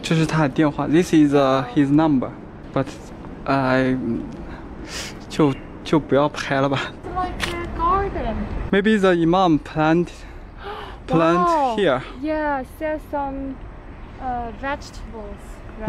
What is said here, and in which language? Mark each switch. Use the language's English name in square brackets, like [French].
[Chinese] 这是他的电话 This is his number. But I 就不要拍了吧 [English] It's like a garden. Maybe the Imam plant here. Yeah, sell some vegetables.、Right?